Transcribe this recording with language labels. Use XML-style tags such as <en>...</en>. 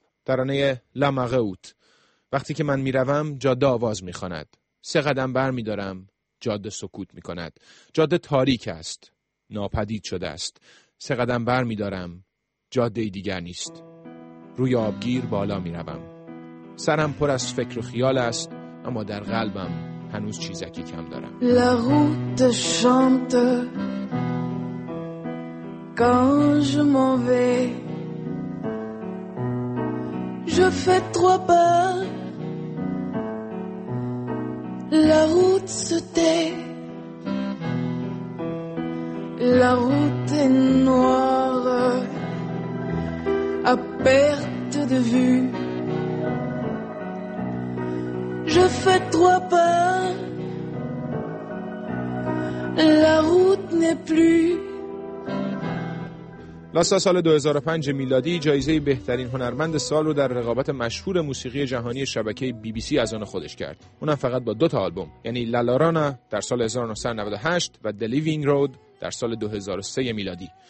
<fa>ترانه لامغوت، وقتی که من میروم جاده آواز میخواند، سه قدم بر میدارم جاده سکوت میکند، جاده تاریک است، ناپدید شده است، سه قدم بر میدارم جاده دیگر نیست، روی آبگیر بالا میروم، سرم پر از فکر و خیال است، اما در قلبم هنوز چیزکی کم دارم.</fa> <fr>La route chante quand je m'en vais, je fais trois pas, la route se tait, la route est noire, à perte de vue, je fais trois pas, la route n'est plus.</fr> <fa>لاسا سال 2005 میلادی جایزه بهترین هنرمند سال رو در رقابت مشهور موسیقی جهانی شبکه بی بی سی از آن خودش کرد. اونم فقط با دو تا آلبوم، یعنی لالارانا در سال 1998 و دلیوینگ رود در سال 2003 میلادی.</fa>